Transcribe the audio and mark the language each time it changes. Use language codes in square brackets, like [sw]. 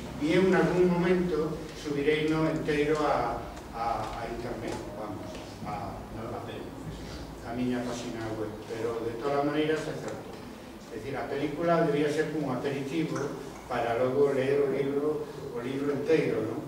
[es] Y en algún momento subiré no entero a internet, vamos, a la tele. [gl] A miña página web, pero de todas maneiras é certo. [es] Es decir, [gl] a película debía ser como aperitivo para logo leer o libro entero, ¿no?